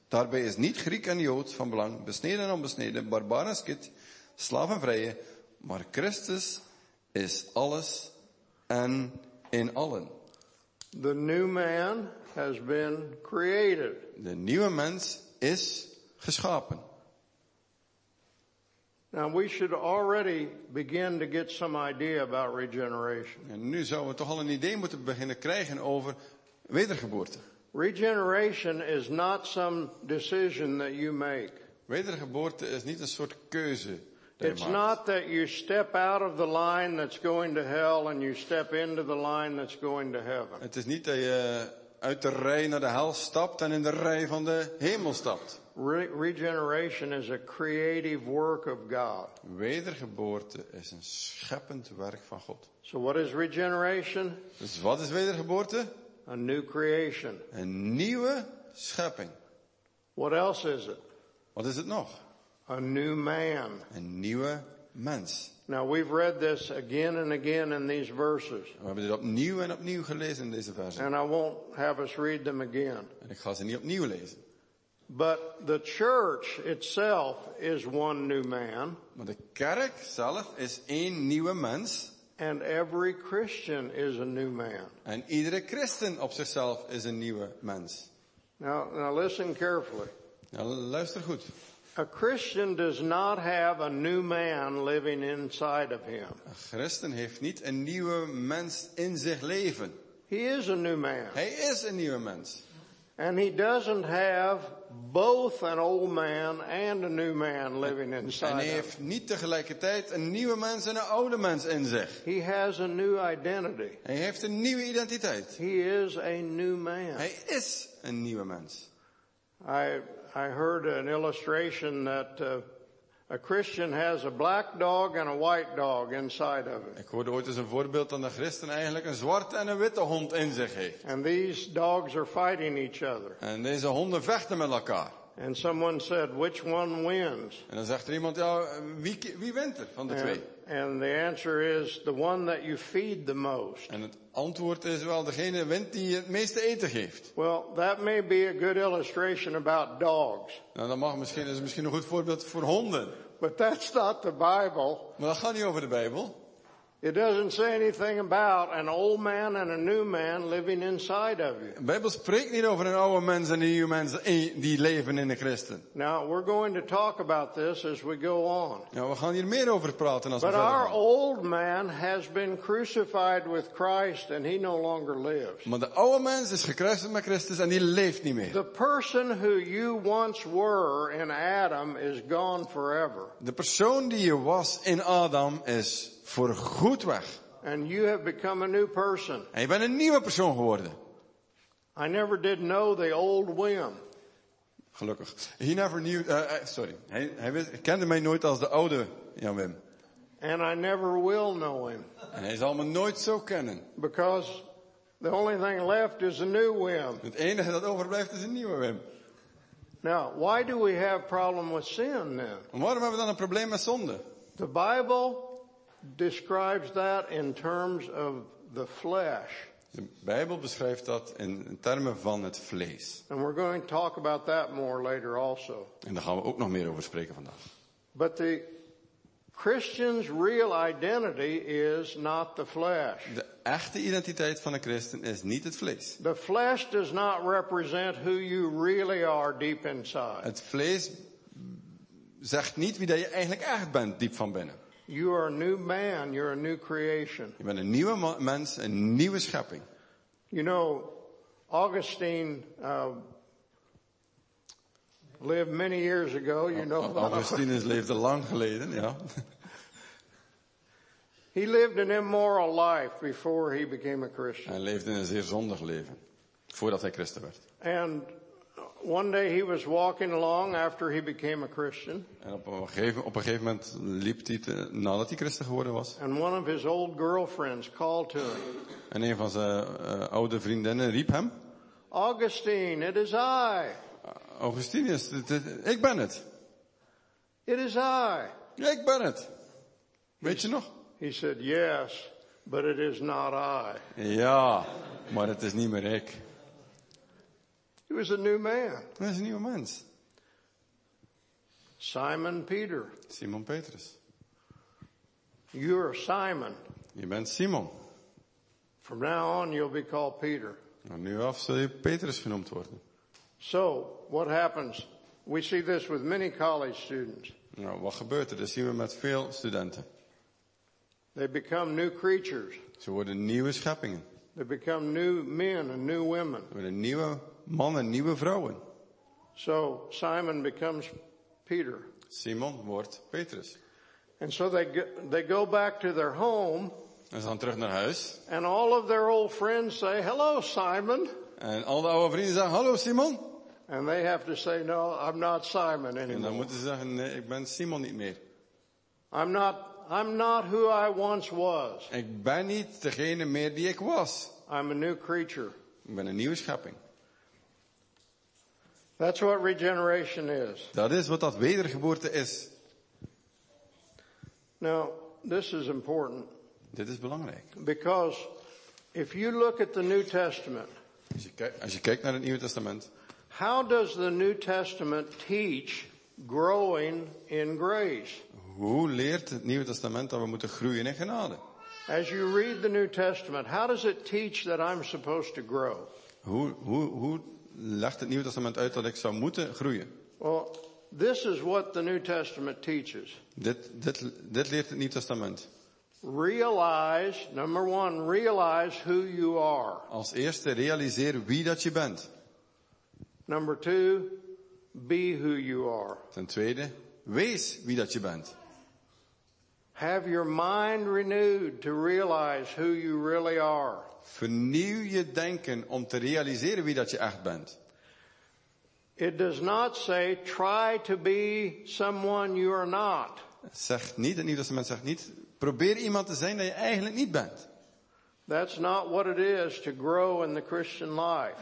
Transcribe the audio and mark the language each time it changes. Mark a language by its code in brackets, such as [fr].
[nl] Daarbij is niet Griek en Jood van belang, besneden en onbesneden, barbaar en skit, slaaf en vrije, maar Christus is alles en in allen. [en] The new man has been created. [nl] De nieuwe mens is geschapen. [en] Now we should already begin to get some idea about regeneration. [nl] En nu zouden we toch al een idee moeten beginnen krijgen over wedergeboorte. [en] Regeneration is not some decision that you make. [nl] Wedergeboorte is niet een soort keuze. [en] It's not that you step out of the line that's going to hell and you step into the line that's going to heaven. [nl] Het is niet dat je uit de rij naar de hel stapt en in de rij van de hemel stapt. [en] Regeneration is a creative work of God. [nl] Wedergeboorte is een scheppend werk van God. [en] So what is regeneration? [nl] Dus wat is wedergeboorte? [en] A new creation. [nl] Een nieuwe schepping. [en] What else is it? [nl] Wat is het nog? [en] A new man. [nl] Een nieuwe mens. [en] Now we've read this again and again in these verses. [nl] We hebben dit opnieuw en opnieuw gelezen in deze versen. [en] And I won't have us read them again. [nl] En ik ga ze niet opnieuw lezen. [en] But the church itself is one new man. [nl] Maar de kerk zelf is één nieuwe mens. [en] And every Christian is a new man. [nl] En iedere christen op zichzelf is een nieuwe mens. [en] Now listen carefully. [nl] Nou, luister goed. [en] A Christian does not have a new man living inside of him. [nl] Een christen heeft niet een nieuwe mens in zich leven. [en] He is a new man. [nl] Hij is een nieuwe mens. [en] And he doesn't have both an old man and a new man living inside him. [nl] En hij heeft niet tegelijkertijd een nieuwe mens en een oude mens in zich. [en] He has a new identity. [nl] Hij heeft een nieuwe identiteit. [en] He is a new man. [nl] Hij is een nieuwe mens. [en] I heard an illustration that a Christian has a black dog and a white dog inside of him. [nl] Ik hoorde ooit eens een voorbeeld dat een christen eigenlijk een zwarte en een witte hond in zich heeft. [en] And these dogs are fighting each other. [nl] En deze honden vechten met elkaar. [en] And someone said, which one wins? [nl] En dan zegt er iemand, ja, wie wint er van de twee? [en] And the answer is the one that you feed the most. [nl] En het antwoord is wel degene wint die het meeste eten geeft. [en] Well, that may be a good illustration about dogs. [nl] Nou, dat mag misschien, is misschien een goed voorbeeld voor honden. [en] But that's not the Bible. [nl] Maar dat gaat niet over de Bijbel. [en] It doesn't say anything about an old man and a new man living inside of you. [nl] De Bijbel spreekt niet over een oude mens en een nieuwe mens die leven in de christen. [en] Now we're going to talk about this as we go on. [nl] Ja, we gaan hier meer over praten als [en] But [nl] we verder [en] our [nl] gaan. [en] Old man has been crucified with Christ and he no longer lives. [nl] Maar de oude mens is gekruisigd met Christus en die leeft niet meer. [en] The person who you once were in Adam is gone forever. [nl] De persoon die je was in Adam is voor goed weg. [en] And you have become a new person. [nl] En je bent een nieuwe persoon geworden. [en] I never did know the old Wim. [nl] Gelukkig. [en] He never knew. Sorry. [nl] Hij kende mij nooit als de oude Jan Wim. [en] And I never will know him. [nl] En hij zal me nooit zo kennen. [en] Because the only thing left is a new whim. [nl] Het enige dat overblijft is een nieuwe whim. [en] Now, why do we have problem with sin then? [nl] En waarom hebben we dan een probleem met zonde? [en] The Bible describes that in terms of the flesh. [nl] De Bijbel beschrijft dat in termen van het vlees. [en] And we're going to talk about that more later also. [nl] En daar gaan we ook nog meer over spreken vandaag. [en] But the Christian's real identity is not the flesh. [nl] De echte identiteit van een christen is niet het vlees. [en] The flesh does not represent who you really are deep inside. [nl] Het vlees zegt niet wie dat je eigenlijk echt bent diep van binnen. [en] You are a new man, you're a new creation. [nl] Je bent een nieuwe mens, een nieuwe schepping. [en] You know, Augustine lived many years ago, you know. Augustine has lived a long geleden, yeah. He lived an immoral life before he became a Christian. [nl] Hij leefde een zeer zondig leven voordat hij christen werd. [en] And one day he was walking along after he became a Christian. [nl] En op een gegeven moment liep hij nadat hij christen geworden was. [en] And one of his old girlfriends called to him. [nl] En een van zijn oude vriendinnen riep hem. [en] Augustine, it is I. [nl] Augustinus, ik ben het. [en] It is I. [nl] Ik ben het. Weet je nog? [en] He said, yes, but it is not I. [nl] Ja, maar het is niet meer ik. [en] He was a new man. [nl] Hij is een nieuwe mens. [en] Simon Peter. [nl] Simon Petrus. [en] You're Simon. [nl] Je bent Simon. [en] From now on you'll be called Peter. [nl] Van nu af zul je Petrus genoemd worden. [en] So, what happens? We see this with many college students. [nl] Nou, wat gebeurt er? Dat zien we met veel studenten. [en] They become new creatures. [nl] Ze worden nieuwe scheppingen. [en] They become new men and new women. [nl] Ze worden nieuwe mannen, nieuwe vrouwen. [en] So, Simon becomes Peter. [nl] Simon wordt Petrus. [en] And so they go back to their home. [nl] En ze gaan terug naar huis. [en] And all of their old friends say, hello, Simon. [nl] En al de oude vrienden zeggen, hallo Simon. [en] And they have to say, no, I'm not Simon anymore. [nl] En dan moeten ze zeggen, nee, ik ben Simon niet meer. [en] I'm not who I once was. [nl] Ik ben niet degene meer die ik was. [en] I'm a new creature. [nl] Ik ben een nieuwe schepping. [en] That's what regeneration is. [nl] Dat is wat dat wedergeboorte is. [en] Now, this is important. [nl] Dit is belangrijk. [en] Because if you look at the New Testament. [nl] Als je kijkt naar het Nieuwe Testament. [en] How does the New Testament teach growing in grace? [nl] Hoe leert het Nieuwe Testament dat we moeten groeien in genade? [en] As you read the New Testament, how does it teach that I'm supposed to grow? [nl] Hoe legt het Nieuwe Testament uit dat ik zou moeten groeien? [en] Well, this is what the New Testament teaches. [nl] Dit leert het Nieuwe Testament. [en] Realize, number one, realize who you are. [nl] Als eerste realiseer wie dat je bent. [en] Number two, be who you are. [nl] Ten tweede, wees wie dat je bent. [en] Have your mind renewed to realize who you really are. [nl] Vernieuw je denken om te realiseren wie dat je echt bent. [en] It does not say try to be someone you are not. [nl] Zegt niet, het Nieuwe Testament zegt niet, probeer iemand te zijn dat je eigenlijk niet bent. [en] That's not what it is to grow in the Christian life.